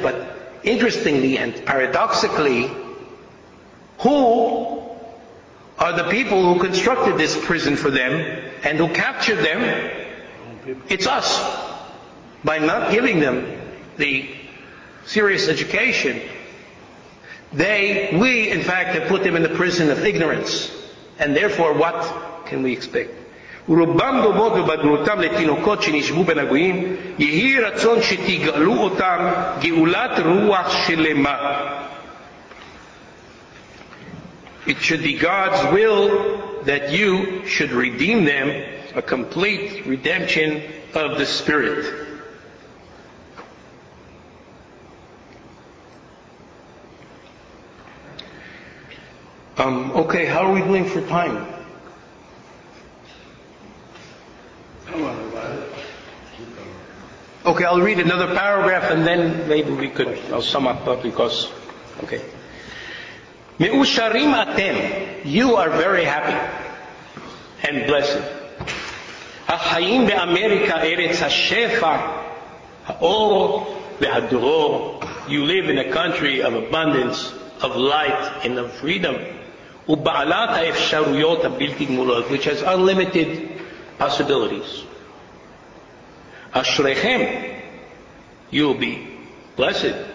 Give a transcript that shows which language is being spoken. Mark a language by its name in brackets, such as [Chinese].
[English] But interestingly and paradoxically, who are the people who constructed this prison for them and who captured them? It's us. By not giving them the serious education, we in fact have put them in the prison of ignorance. And therefore, what can we expect? [Hebrew] ורובם דומות בבגרותם לתינוקות שנשבו בין הגויים, יהי רצון שתגאלו אותם גאולת רוח שלמה. [English] It should be God's will that you should redeem them, a complete redemption of the spirit. Okay, how are we doing for time? Okay, I'll read another paragraph and then maybe we could, I'll sum up, because, okay. [Hebrew] מאושרים אתם, [English] you are very happy and blessed. [Hebrew] החיים באמריקה ארץ השפע, האור והדרור. [English] You live in a country of abundance, of light and of freedom. [Hebrew] ובעלת האפשרויות הבלתי גמולות, [English] which has unlimited possibilities. [Hebrew] אשריכם, [English] you will be blessed.